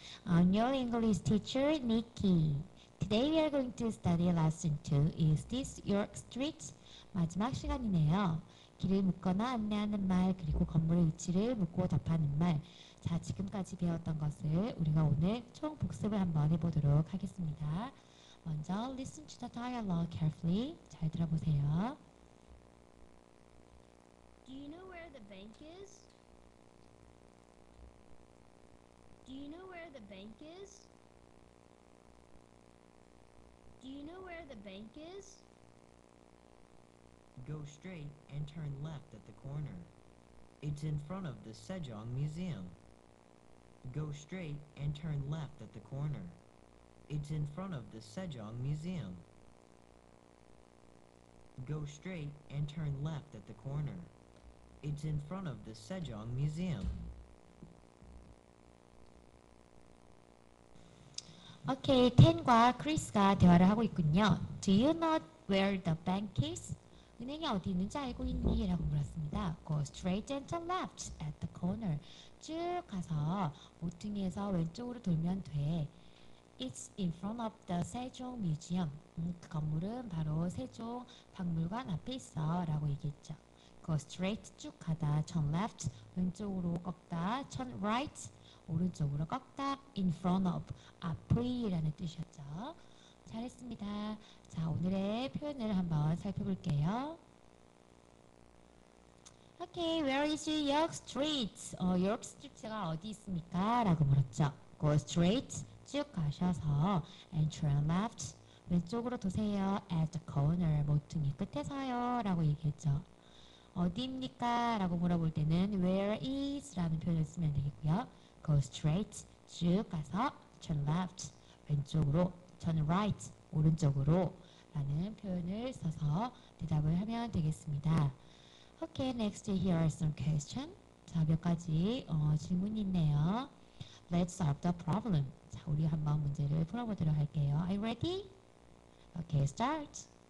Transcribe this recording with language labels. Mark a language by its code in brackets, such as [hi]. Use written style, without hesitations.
[en] I'm your English teacher, Nikki. Today we are going to study lesson 2. Is this York Street? [ko] 마지막 시간이네요. 길을 묻거나 안내하는 말, 그리고 건물의 위치를 묻고 답하는 말. 자, 지금까지 배웠던 것을 우리가 오늘 총 복습을 한번 해보도록 하겠습니다. 먼저 [en] listen to the dialogue carefully. [ko] 잘 들어보세요. [en] Do you know where the bank is? Do you know where the bank is? Do you know where the bank is? Go straight and turn left at the corner. It's in front of the Sejong Museum. Go straight and turn left at the corner. It's in front of the Sejong Museum. Go straight and turn left at the corner. It's in front of the Sejong Museum. Okay, [ko] Ten과 Chris가 대화를 하고 있군요. [en] Do you know where the bank is? [ko] 은행이 어디 있는지 알고 있니? 라고 물었습니다. [en] Go straight and turn left at the corner. [ko] 쭉 가서 모퉁이에서 왼쪽으로 돌면 돼. [en] It's in front of the Sejong Museum. [ko] 그 건물은 바로 세종 박물관 앞에 있어. 라고 얘기했죠. [en] Go straight [ko] 쭉 가다. [en] Turn left [ko] 왼쪽으로 꺾다. [en] Turn right [ko] 오른쪽으로 꺾다. [en] In front of [ko] 앞의라는 뜻이었죠. 잘했습니다. 자, 오늘의 표현을 한번 살펴볼게요. [en] Okay, where is York Street? [ko] York Street가 어디 있습니까? 라고 물었죠. [en] Go straight, [ko] 쭉 가셔서 [en] and turn left, [ko] 왼쪽으로 도세요. [en] At the corner, [ko] 모퉁이 끝에서요. 라고 얘기했죠. 어디입니까? 라고 물어볼 때는 [en] where is? [ko] 라는 표현을 쓰면 되겠고요. [en] Go straight, [ko] 쭉 가서 [en] turn left, [ko] 왼쪽으로 [en] turn right, [ko] 오른쪽으로 라는 표현을 써서 대답을 하면 되겠습니다. [en] Okay, next here are some questions. [ko] 자, 몇 가지 질문이 있네요. [en] Let's solve the problem. [ko] 자, 우리 한번 문제를 풀어보도록 할게요. [en] Are you ready? Okay, start.